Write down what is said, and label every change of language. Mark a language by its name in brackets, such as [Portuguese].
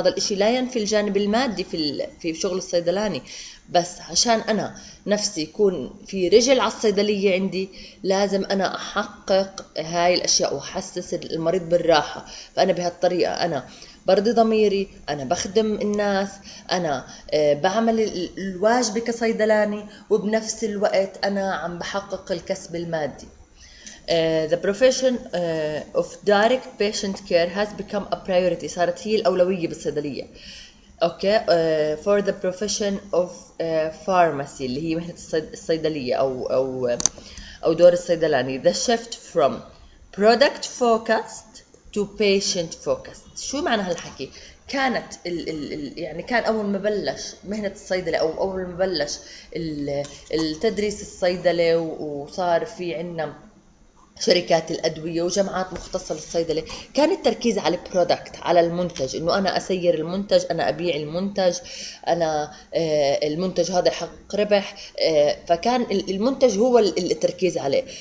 [Arabic] هذا الاشي لا ينفي الجانب المادي في شغل الصيدلاني، بس عشان انا نفسي يكون في رجل على الصيدلية عندي، لازم انا احقق هاي الاشياء واحسس المريض بالراحة. فانا بهالطريقة انا برضي ضميري، انا بخدم الناس، انا بعمل الواجب كصيدلاني، وبنفس الوقت انا عم بحقق الكسب المادي. [English] The profession of direct patient care has become a priority، [Arabic] صارت هي الاولويه بالصيدليه. اوكي، [English] for the profession of pharmacy [Arabic] اللي هي مهنه الصيدليه او دور الصيدلاني. [English] The shift from product focused to patient focused. [Arabic] شو معنى هالحكي؟ كانت يعني كان اول ما بلش مهنه الصيدله او اول ما بلش التدريس الصيدله، وصار في عنا شركات الادويه وجامعات مختصه للصيدله، كان التركيز على البرودكت، على المنتج، انه انا اسير المنتج، انا ابيع المنتج، انا المنتج هذا حق ربح، فكان المنتج هو التركيز عليه.